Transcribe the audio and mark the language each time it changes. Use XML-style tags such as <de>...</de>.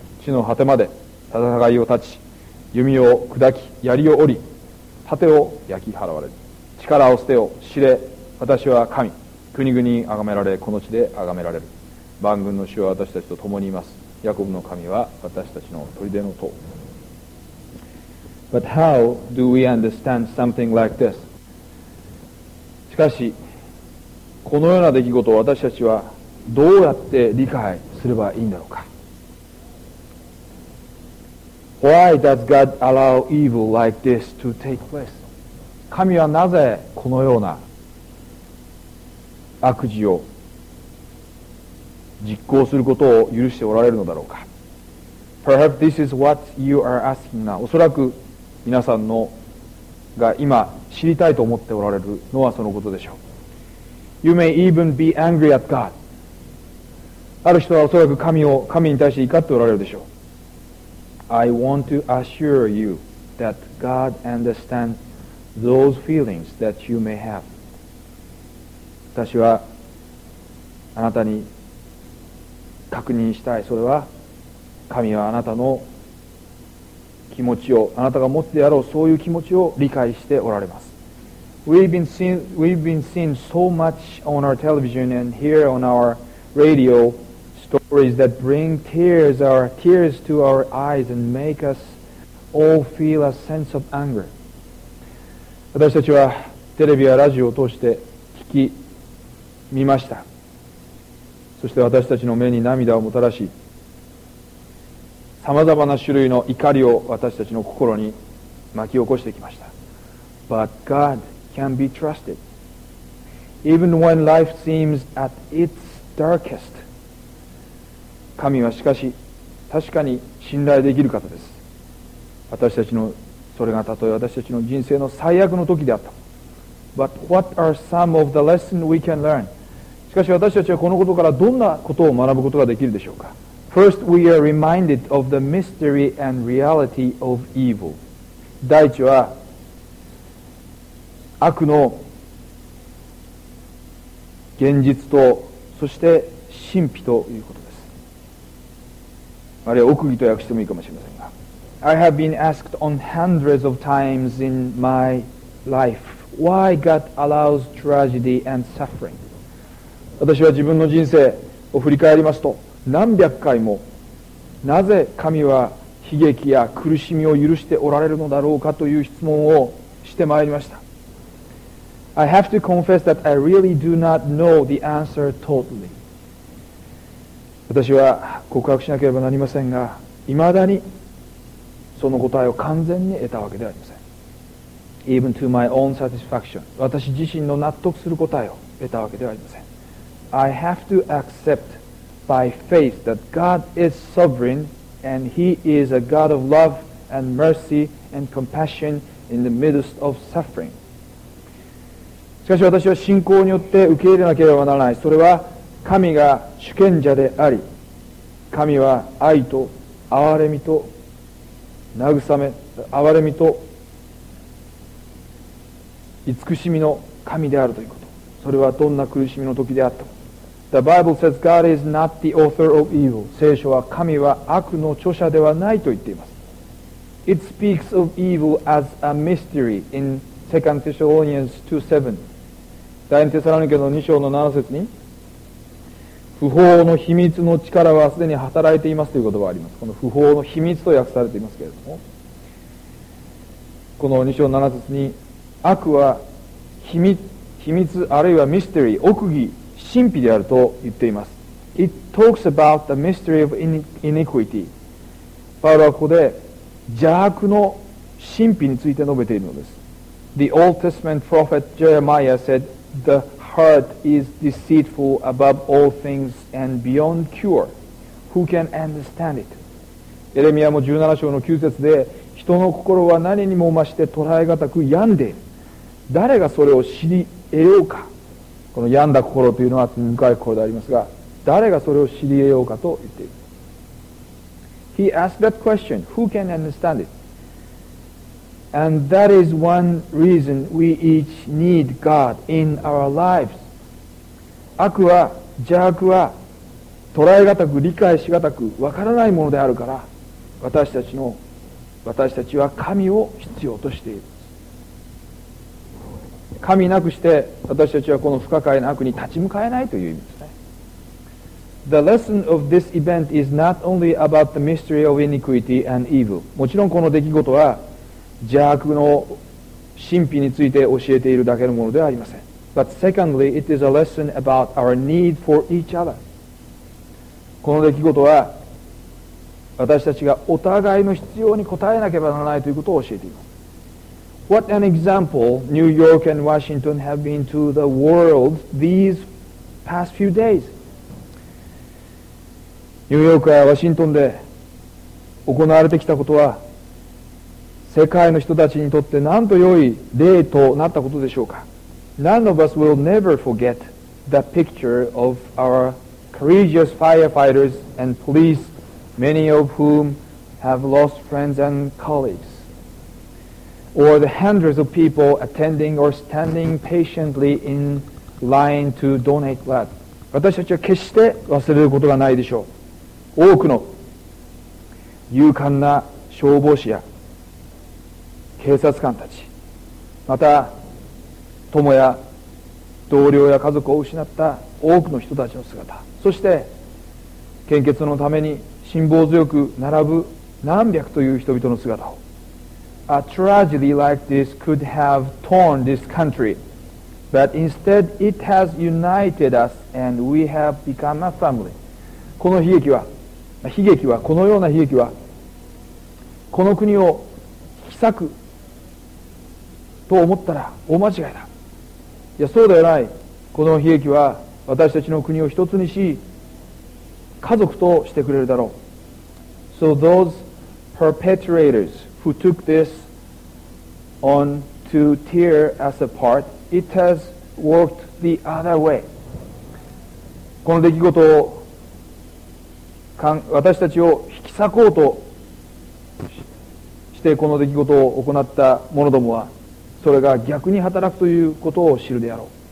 <ja>地の果てまで戦いを立ち、弓を砕き、槍を折り、盾を焼き払われる。力を捨てよ、知れ、私は神。国々に崇められ、この地で崇められる。万軍の主は私たちと共にいます。ヤコブの神は私たちの砦の塔。</ja> <en>But how do we understand something like this?</en> <ja>しかし、このような出来事を私たちはどうやって理解すればいいんだろうか。</ja> <en>Why does God allow evil like this to take place?</en> <ja>神はなぜこのような悪事を実行することを許しておられるのだろうか。</ja> <en>Perhaps this is what you are asking now.</en> <ja>おそらく皆さんのが今知りたいと思っておられるのはそのことでしょう。</ja> <en>You may even be angry at God.</en> <ja>ある人はおそらく神に対して怒っておられるでしょう。</ja> <en>I want to assure you that God understands those feelings that you may have.</en> <ja>私はあなたに確認したい。それは神はあなたの気持ちを、あなたが持ってやろう、そういう気持ちを理解しておられます。</ja> <en>We've been seeing so much on our television and here on our radio stories that bring tears to our eyes and make us all feel a sense of anger.</en> <ja>私たちはテレビやラジオを通して聞き、見ました。そして私たちの目に涙をもたらし、さまざまな種類の怒りを私たちの心に巻き起こしてきました。</ja> <en>But God can be trusted. Even when life seems at its darkest,</en> <ja>神はしかし確かに信頼できる方です。私たちの、それがたとえ私たちの人生の最悪の時であった。</ja> <en>But what are some of the lessons we can learn?</en> <ja>しかし私たちはこのことからどんなことを学ぶことができるでしょうか。</ja> <en>First, we are reminded of the mystery and reality of evil.</en> <ja>第一は、悪の現実と、そして神秘ということです。あるいは奥義と訳してもいいかもしれませんが。</ja> <en>I have been asked on hundreds of times in my life, why God allows tragedy and suffering?</en> <ja>私は自分の人生を振り返りますと、何百回もなぜ神は悲劇や苦しみを許しておられるのだろうかという質問をしてまいりました。</ja> <en>I have to confess that I really do not know the answer totally.</en> <ja>私は告白しなければなりませんが、いまだにその答えを完全に得たわけではありません。</ja> <en>Even to my own satisfaction.</en> <ja>私自身の納得する答えを得たわけではありません。</ja> <en>I have to accept by faith that God is sovereign and He is a God of love and mercy and compassion in the midst of suffering.</en> <ja>しかし私は信仰によって受け入れなければならない。それは神が主権者であり、神は愛と憐れみと慰め、憐れみと慈しみの神であるということ。それはどんな苦しみの時であっても。</ja> <en>The Bible says God is not the author of evil.</en> <ja>聖書は神は悪の著者ではないと言っています。</ja> <en>It speaks of evil as a mystery in 2 Thessalonians 2:7.</en> <ja>第2テサロニケの2章の7節に、不法の秘密の力はすでに働いていますという言葉があります。この不法の秘密と訳されていますけれども、この2章7節に、悪は秘密あるいはミステリー、奥義、神秘であると言っています。</ja> <en>It talks about the mystery of iniquity.</en> <ja>パウロはここで邪悪の神秘について述べているのです。</ja> <en>The Old Testament prophet Jeremiah saidThe heart is deceitful above all things and beyond cure. Who can understand it?</en> <ja>エレミアも17章の9節で、人の心は何にも増して捉えがたく病んでいる。誰がそれを知り得ようか。この病んだ心というのは罪深い心でありますが、誰がそれを知り得ようかと言っている。</ja> <en>He asked that question. Who can understand it? And that is one reason we each need God in our lives.</en> <ja>悪は邪悪は捉えがたく理解しがたくわからないものであるから私たちは神を必要としている。神なくして私たちはこの不可解な悪に立ち向かえないという意味ですね。</ja> <en>The lesson of this event is not only about the mystery of iniquity and evil.</en> <ja>もちろんこの出来事は邪悪の神秘について教えているだけのものではありません。</ja> <en>But secondly, it is a lesson about our need for each other.</en> <ja>この出来事は私たちがお互いの必要に応えなければならないということを教えています。</ja> <en>What an example New York and Washington have been to the world these past few days.</en> <ja>ニューヨークやワシントンで行われてきたことは世界の人たちにとってなんと良い例となったことでしょうか。</ja> <en>None of us will never forget the picture of our courageous firefighters and police, many of whom have lost friends and colleagues. Or the hundreds of people attending or standing patiently in line to donate blood.</en> <ja>私たちは決して忘れることがないでしょう。多くの勇敢な消防士や警察官たち、また友や同僚や家族を失った多くの人たちの姿、そして献血のために辛抱強く並ぶ何百という人々の姿を。</ja> <en>A tragedy like this could have torn this country, but instead it has united us and we have become a family.</en> <ja>この悲劇は、このような悲劇は、この国を引き裂くと思ったら大間違いだ。いや、そうではない。この悲劇は私たちの国を一つにし、家族としてくれるだろう。</ja> <en>So those perpetrators who took thisOn to tear us apart, it has worked the other way.</en> <ja>この出来事を私たちを引き裂こうとしてこの出来事を行った者どもは、それが逆に働くということを知るであろう。</ja>